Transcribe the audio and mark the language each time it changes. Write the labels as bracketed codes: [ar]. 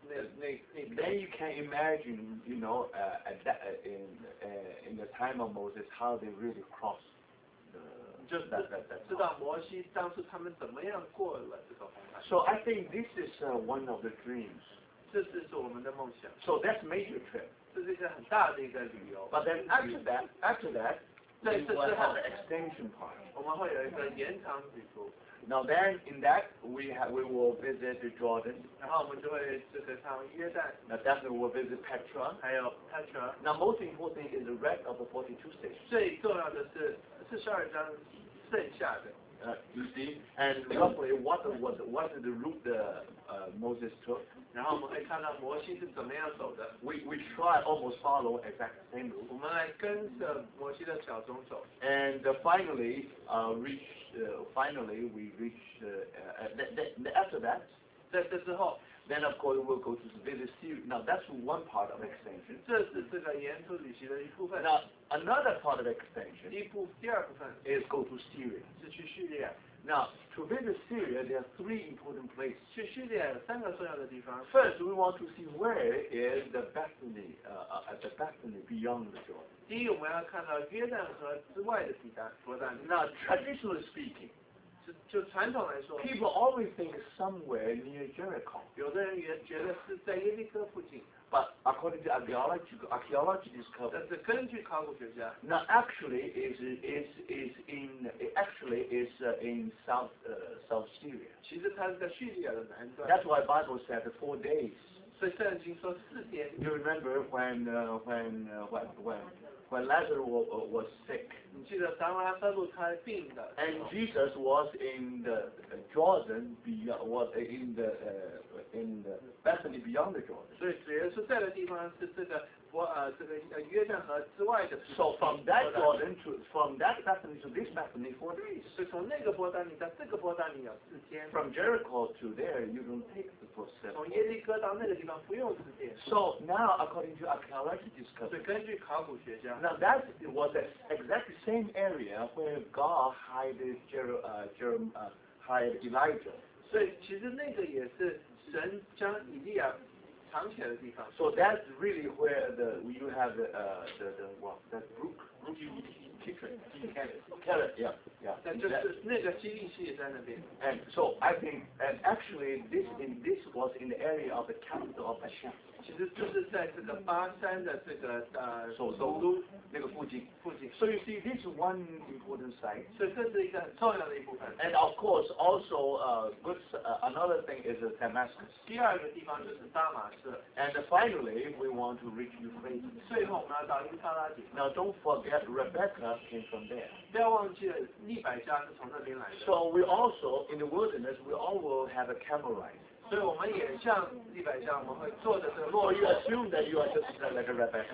[en] Then you can imagine, you know, in the time of Moses, how they really crossed. [zh] 就是知道摩西当初他们怎么样过了这个红海。 [en] So I think this is one of the dreams. [zh] 这就是我们的梦想。 [en] So that's major trip. [zh] 这是一个很大的一个旅游。 [en] But then after that, we will have an extension part. [zh] 我们会有一个延长旅途。 [en] Now then, in that, we will visit Jordan. [zh] 然后我们就会这个上约旦。 [en] Now definitely we'll visit Petra. [zh] 还有 Petra. [en] Now most important is the wreck of the 42 stations. [zh] 最重要的是42章剩下的。 [en] You see, and roughly what the route Moses took. [zh] 然后我们会看到摩西是怎么样走的。 [en] We try almost follow exact same route. [zh] 我们来跟着摩西的脚踪走。 [en] And finally, after that, [zh] 在这之后。 [en] Then of course we'll go to visit Syria. Now that's one part of extension. [zh] 这是这个沿途旅行的一部分。 [en] Now another part of extension. [zh] 第二部分 [en] is go to Syria. [zh] 是去叙利亚。 [en] Now to visit Syria, there are three important places. [zh] 去叙利亚三个重要的地方。 [en] First, we want to see where is the Bethany, the Bethany beyond the Jordan. [zh] 第一，我们要看到约旦河之外的地带。约旦。 [en] Now traditionally speaking. [zh] 就传统来说 [en] ，People always think somewhere near Jericho. [zh] 有的人也觉得是在耶利哥附近。 [en] But according to archaeology discovery, [zh] 但是根据考古学家 [en] ，Now actually is in south Syria. [zh] 其实它是在叙利亚的南端。 [en] That's why Bible said 4 days. [zh] 所以圣经说四天。 [en] You remember when Lazarus was sick. [zh] 你记得当拉撒路他病的。 [en] And Jesus was in the Jordan beyond, was in the, in the Bethany beyond the Jordan. [zh] 所以主耶稣在的地方是这个约旦河之外的。 [en] So from that Jordan to from that Bethany to this Bethany 4 days. [zh] 所以从那个伯大尼到这个伯大尼有四天。 [en] From Jericho to there, you don't take the process. [zh] 从耶利哥到那个地方不用四天。 [en] So now according to archaeology discovery. [zh] 所以根据考古学家。 [en] Now that was the exact same area where God hid Elijah. [zh] 所以其实那个也是神将以利亚。 [en] So that's really where you have that brook, Kidron, Kidron, yeah, yeah. Exactly. And so I think, and actually this was in the area of the capital of Bashan. [zh] 其实就是在这个巴山的这个首都那个附近。 [en] So you see, this is one important site. [zh] 所以这是一个很重要的一部分。 [en] And of course, also another thing is Damascus. [zh] 第二个地方就是大马士。 [en] And finally, we want to reach Euphrates. [zh] 最后我们要到伊法拉底。 [en] Now don't forget, Rebecca came from there. [zh] 不要忘记利百加是从那边来的。 [en] So we also in the wilderness, we all will have a camel ride. [zh] 所以我们也像利百加，我们会做的这个骆驼。 [en] You assume that you are just like a Rebecca.